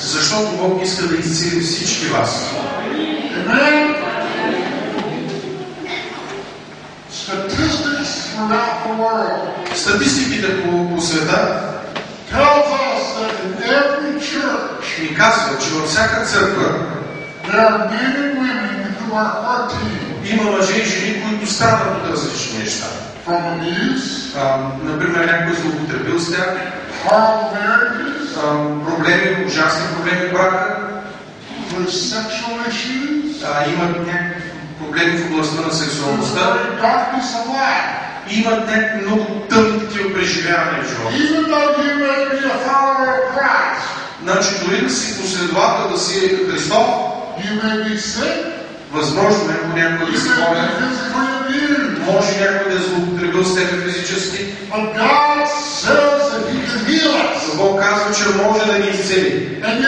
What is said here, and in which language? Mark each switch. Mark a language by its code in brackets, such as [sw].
[bg] Защото Бог иска да изцели всички вас. [en] Amen. Statistics throughout the world. [bg] Статистиките по света. [en] Tells us that in every church. [bg] Ни казва, че във всяка църква. [en] There are men and women who are hurting. [bg] Има мъже и жени, които страдат от различни неща. [en] From abuse. [bg] Например, някой злоупотребил с тях. [en] Horrible marriages. [bg] Проблеми, ужасни проблеми в брака. [en] With sexual issues. [bg] Имат някакви проблеми в областта на сексуалността. [en] Darkness of life. [bg] Имат някакви много тъмни преживявания в живота. [en] Even though you may be a follower of Christ. [bg] Значи, дори да си последовател, да си Христов. [en] You may be sick. [bg] Възможно е, ако някой да спомня, може някой да злоупотребил с тебе физически. Но Бог казва, че може да ни изцели.